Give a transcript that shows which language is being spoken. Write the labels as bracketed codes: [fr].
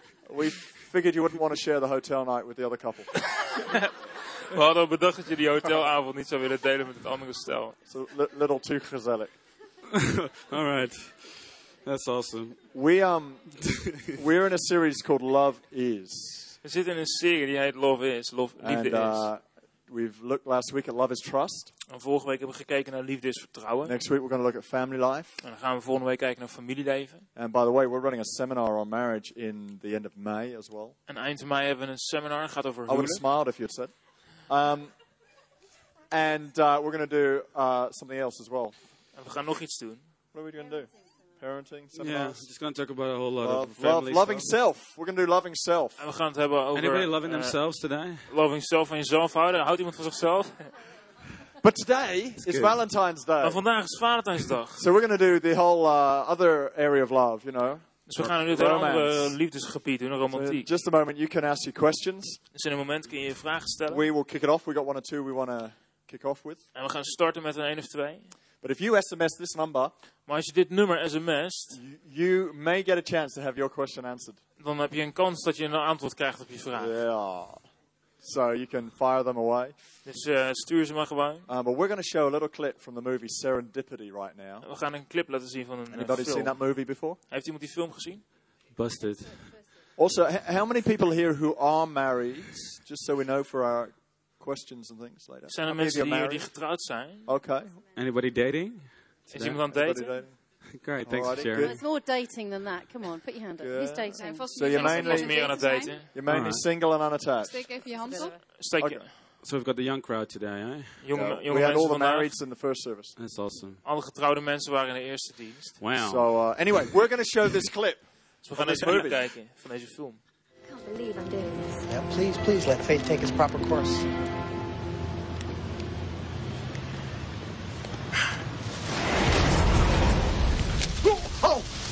[en] We figured you wouldn't want to share the hotel night with the other couple. [nl] We hadden al bedacht dat je die hotelavond niet zou willen delen met het andere stel. [en] It's a little too gezellig. All right. That's awesome. We're in a series called Love Is. [nl] We zitten in een serie die heet Love Is. Liefde is. [en] We've looked last week at love is trust. [nl] En vorige week hebben we gekeken naar liefde is vertrouwen. [en] Next week we're going to look at family life. [nl] En dan gaan we volgende week kijken naar familieleven. [en] And by the way, we're running a seminar on marriage in the end of May as well. [nl] En eind mei hebben we een seminar. Gaat over huwelijk. [en] I would have smiled if you had said. We're going to do something else as well. [nl] En we gaan nog iets doen. [en] What are we going to do? Parenting, seminars. Yeah, we're just going to talk about a whole lot of family stuff. Loving self. We're going to do loving self. And we're going to have over. Anybody loving themselves today? Loving self and yourself. [nl] Houdt iemand van zichzelf? [en] But today is Valentine's Day. [nl] Maar vandaag is Valentijnsdag. [en] So we're going to do the whole other area of love, you know. [nl] Dus we gaan nu het andere liefdesgebied doen, romantiek. [en] Just a moment, you can ask your questions. [nl] Dus in een moment kun je je vragen stellen. [en] We will kick it off. We got one or two we want to kick off with. [nl] En we gaan starten met een 1 of 2. [en] But if you SMS this number, [nl] maar als je dit nummer SMS't, [en] you may get a chance to have your question answered. [nl] Dan heb je een kans dat je een antwoord krijgt op je vraag. [en] Yeah. So you can fire them away. [nl] Dus stuur ze maar gewoon. [en] But we're going to show a little clip from the movie Serendipity right now. [nl] We gaan een clip laten zien van een film. [en] Anybody seen that movie before? [nl] Heeft iemand die film gezien? [en] Busted. Also, how many people here who are married, just so we know for our questions and things later. [nl] Zijn er mensen hier die getrouwd zijn? [en] Okay. Anybody dating? [nl] Is iemand aan het daten? [en] Great, thanks for sharing. It's more dating than that. Come on, put your hand up. Who's dating? So you're mainly [nl] meer aan het daten. [en] You're mainly single and unattached. [nl] Steek even je hand op. Steek. [en] So we've got the young crowd today, eh? Yeah. We had all the marrieds in the first service. That's awesome. [nl] Alle getrouwde mensen waren in de eerste dienst. [en] Wow. So anyway, we're going to show this clip. [nl] We gaan deze film kijken van deze film. [en] I can't believe I'm doing this. Yeah, please, please let fate take its proper course. Oh!